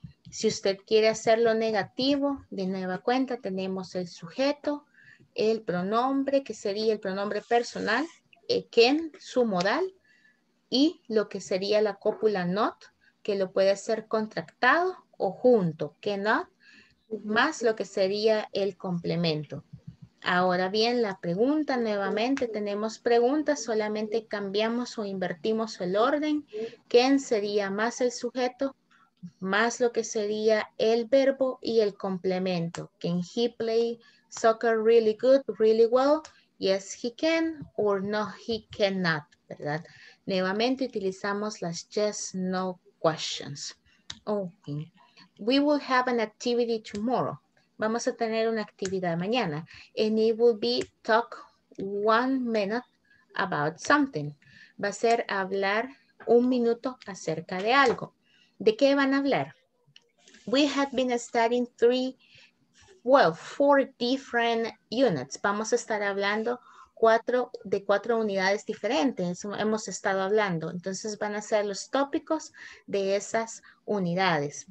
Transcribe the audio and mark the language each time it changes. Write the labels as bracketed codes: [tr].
[es] Si usted quiere hacerlo negativo, de nueva cuenta tenemos el sujeto, el pronombre, que sería el pronombre personal, can, su modal, y lo que sería la cópula not, que lo puede hacer contractado o junto, cannot, más lo que sería el complemento. Ahora bien, la pregunta, nuevamente tenemos preguntas, solamente cambiamos o invertimos el orden. ¿Quién sería más el sujeto, más lo que sería el verbo y el complemento? [en] ¿Can he play soccer really good, really well? Yes, he can, or no, he cannot, [es] ¿verdad? Nuevamente utilizamos las [en] yes, no questions. [es] Okay. [en] We will have an activity tomorrow. [es] Vamos a tener una actividad mañana. [en] And it will be talk 1 minute about something. [es] Va a ser hablar 1 minuto acerca de algo. ¿De qué van a hablar? [en] We have been studying four different units. [es] Vamos a estar hablando cuatro unidades diferentes. Hemos estado hablando. Entonces van a ser los tópicos de esas unidades.